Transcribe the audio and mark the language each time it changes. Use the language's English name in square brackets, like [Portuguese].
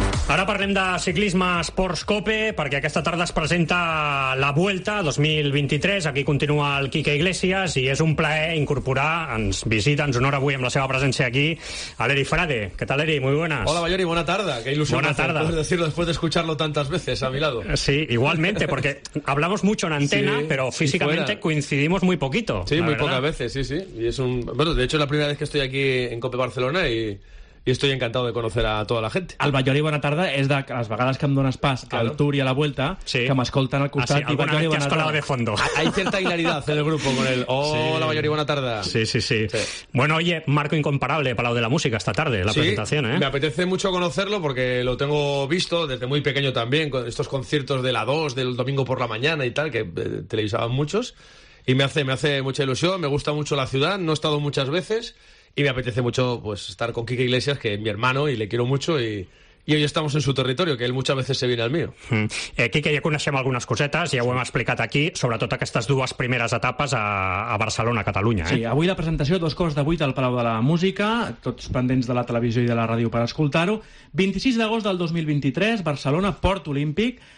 [Catalan] Ara parlem de ciclisme Sports Cope, perquè aquesta tarda es presenta la Vuelta 2023. Aquí continua el Quique Iglesias i és un plaer incorporar, ens visita, ens honora avui amb la seva presència aquí, a l'Eri Frade. Què tal, Eri? [Spanish] Muy buenas. [Catalan] Hola, Bayori, bona tarda. [Spanish] Qué ilusión. Buena tarde. Puedo decirlo después de escucharlo tantas veces a mi lado. Sí, igualmente, porque hablamos mucho en antena, sí, pero físicamente si coincidimos muy poquito. Sí, muy pocas veces, sí, sí. Y es un... Bueno, de hecho, es la primera vez que estoy aquí en Cope Barcelona y... Y estoy encantado de conocer a toda la gente. [Catalan] El Bayori, bona tarda, és de les vegades que em dones pas, claro, al Tour i a la Vuelta, sí, que m'escolten al costat. [Spanish] Ah, sí, alguna vez que has colado de fondo. Hay cierta hilaridad en el grupo con el hola, sí. [Catalan] Bayori, bona tarda. [Spanish] Sí, sí, sí, sí. Bueno, oye, marco incomparable, Palau de la Música, esta tarde, la sí, presentación, ¿eh? Me apetece mucho conocerlo porque lo tengo visto desde muy pequeño también, con estos conciertos de la 2, del domingo por la mañana y tal, que televisaban muchos. Y me hace mucha ilusión, me gusta mucho la ciudad, no he estado muchas veces... Y me apetece mucho pues estar con Quique Iglesias, que es mi hermano y le quiero mucho, y hoy estamos en su territorio, que él muchas veces se viene al mío. [Catalan] Quique, ja coneixem algunes cosetes, ja ho hem explicat aquí, sobretot aquestes dues primeres etapes a Barcelona, a Catalunya. Sí, avui la presentació, 8:15 al Palau de la Música, tots pendents de la televisió i de la ràdio per escoltar-ho. 26 d'agost del 2023, Barcelona, Port Olímpic.